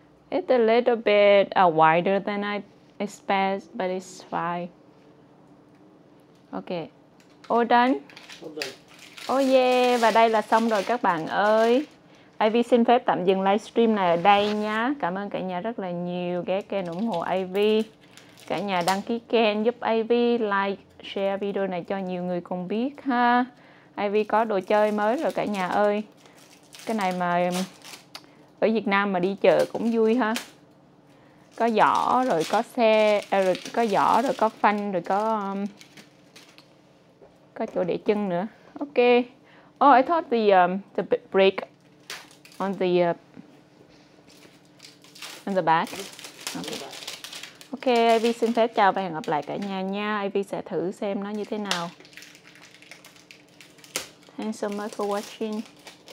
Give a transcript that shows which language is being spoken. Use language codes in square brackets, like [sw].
[en] It's a little bit wider than I expect, but it's fine. Okay. All done. All done. Oh yeah, [vi] và đây là xong rồi các bạn ơi. AV xin phép tạm dừng livestream này ở đây nha. Cảm ơn cả nhà rất là nhiều, ghé kênh ủng hộ AV. Cả nhà đăng ký kênh giúp AV like, share video này cho nhiều người cùng biết ha. AV có đồ chơi mới rồi cả nhà ơi. Cái này mà ở Việt Nam mà đi chợ cũng vui ha. Có giỏ rồi có xe, rồi có giỏ rồi có phanh rồi có chỗ để chân nữa. Ok. [en] Oh, I thought the brake on the back. Okay. [vi] Ok, Ivy xin phép chào và hẹn gặp lại cả nhà nha. Ivy sẽ thử xem nó như thế nào. [en] Thanks so much for watching.